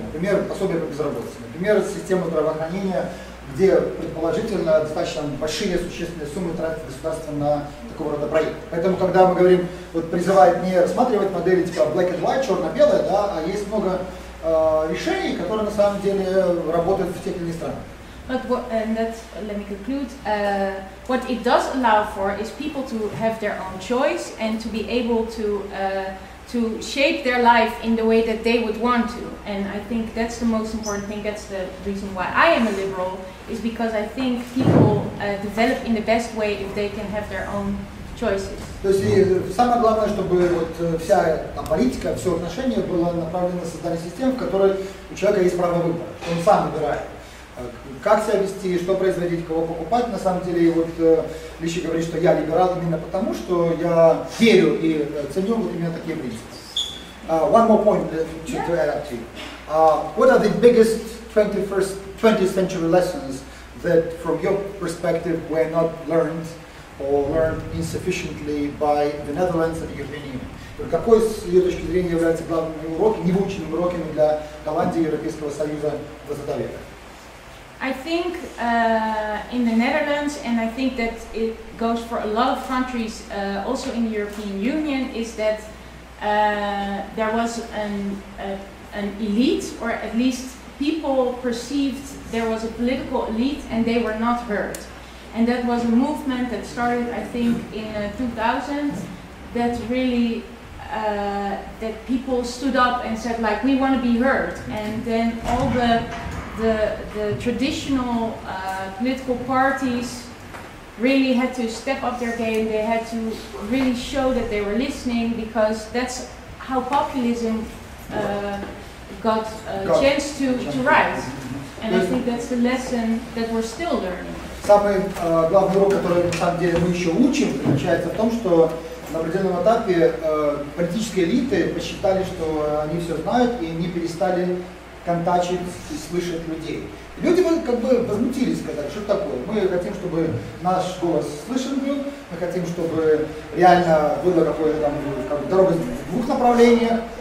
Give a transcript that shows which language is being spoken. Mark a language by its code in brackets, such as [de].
[ru] Например, пособие по безработице. Например, система здравоохранения, где предположительно достаточно большие существенные суммы тратит государство на такого рода проект. Поэтому, когда мы говорим, вот призывает не рассматривать модели типа [en] black and white, [ru] черно-белое, да, а есть много решений, которые на самом деле работают в тех или иных странах. [en] But what, and that's, let me conclude, what it does allow for is people to have their own choice and to be able to shape their life in the way that they would want to. And I think that's the most important thing, that's the reason why I am a liberal, is because I think people develop in the best way if they can have their own choices. [ru] То есть самое главное, чтобы вот вся там, политика, все отношения было направлено на создание системы, в которой у человека есть право выбора. Он сам выбирает, как себя вести, что производить, кого покупать. На самом деле, вот Лиша говорит, что я либерал именно потому, что я верю и ценю вот именно такие принципы. [en] One more point to add up to you. What are the biggest 20th century lessons that from your perspective were not learned or learned insufficiently by the Netherlands and the European Union? [ru] Какой, с ее точки зрения, является главными уроками, невыученными уроками для Голландии и Европейского Союза 20 века? [en] I think in the Netherlands, and I think that it goes for a lot of countries also in the European Union, is that there was an elite, or at least people perceived there was a political elite and they were not heard. And that was a movement that started, I think, in 2000, that really, that people stood up and said, like, we want to be heard. And then all the traditional political parties really had to step up their game. They had to really show that they were listening, because that's how populism got a chance to rise. And I think that's the lesson that we're still learning. [ru] Самый главный урок, который, на самом деле, мы еще учим, заключается в том, что на определенном этапе политические элиты посчитали, что они все знают, и они перестали контачить и слышать людей. Люди как бы возмутились, сказали, что такое. Мы хотим, чтобы наш голос слышен был, мы хотим, чтобы реально было какое-то там, как бы, дорога в двух направлениях.